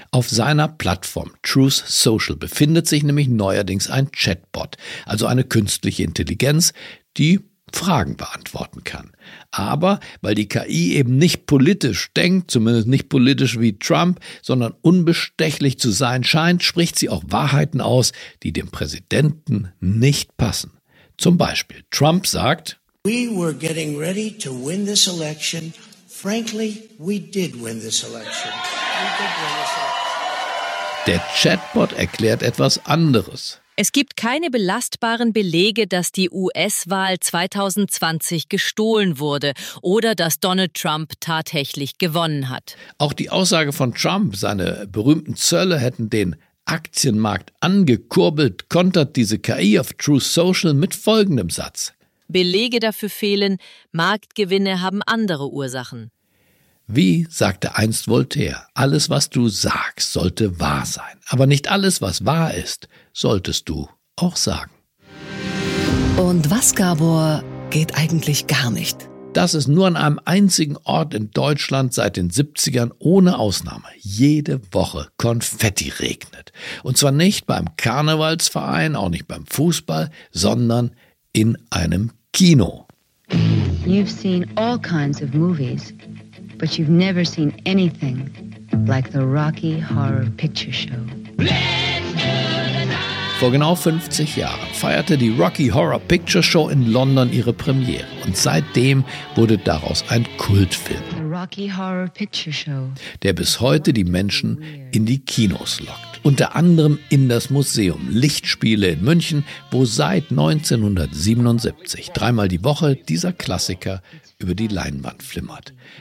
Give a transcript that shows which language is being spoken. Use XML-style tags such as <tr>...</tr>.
<de>Auf seiner Plattform Truth Social befindet sich nämlich neuerdings ein Chatbot, also eine künstliche Intelligenz, die Fragen beantworten kann. Aber weil die KI eben nicht politisch denkt, zumindest nicht politisch wie Trump, sondern unbestechlich zu sein scheint, spricht sie auch Wahrheiten aus, die dem Präsidenten nicht passen. Zum Beispiel, Trump sagt:</de> <en>We were getting ready to win this election. Frankly, we did win this election.</en> <de>Der Chatbot erklärt etwas anderes. Es gibt keine belastbaren Belege, dass die US-Wahl 2020 gestohlen wurde oder dass Donald Trump tatsächlich gewonnen hat. Auch die Aussage von Trump, seine berühmten Zölle hätten den Aktienmarkt angekurbelt, kontert diese KI auf Truth Social mit folgendem Satz: Belege dafür fehlen, Marktgewinne haben andere Ursachen. Wie sagte einst Voltaire, alles, was du sagst, sollte wahr sein. Aber nicht alles, was wahr ist, solltest du auch sagen. Und was, Gabor, geht eigentlich gar nicht? Dass es nur an einem einzigen Ort in Deutschland seit den 70ern ohne Ausnahme jede Woche Konfetti regnet. Und zwar nicht beim Karnevalsverein, auch nicht beim Fußball, sondern in einem Kino.</de> <en>You've seen all kinds of movies. But you've never seen anything like the Rocky Horror Picture Show.</en> <de>Vor genau 50 Jahren feierte die Rocky Horror Picture Show in London ihre Premiere. Und seitdem wurde daraus ein Kultfilm.</de> <en>The Rocky Horror Picture Show.</en> <de>Der bis heute die Menschen in die Kinos lockt. unter anderem in das Museum Lichtspiele in München, wo seit 1977 dreimal die Woche dieser Klassiker über die Leinwand flimmert.</de>